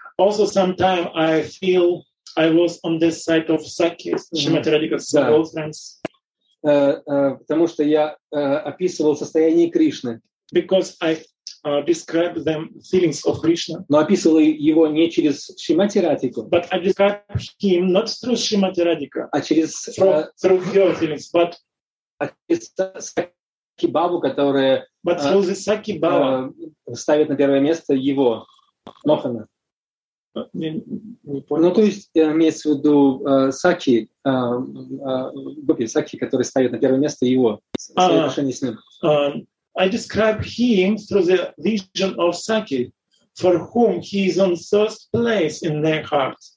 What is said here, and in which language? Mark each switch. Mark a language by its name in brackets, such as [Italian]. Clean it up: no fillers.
[English] Also sometimes I feel I was on this side of Sakhi, Shrimati Radhika's girlfriends. [Russian] Потому что я описывал состояние Кришны. [English] Because I describe them feelings of Krishna. [Russian] Но описывал его не через Шримати Радику. [English] But I describe him not through Shrimati Radhika. [Russian] А через [English] through her feelings, but [Russian] Сакхи Бхаву, которая ставит на первое место его Мохана. Ну, то есть, имеется в виду Сакхи, Гопи, Сакхи, который ставит на первое место его, свои отношения с ним. [English] I describe him through the vision of Sakhi, for whom he is on first place in their heart.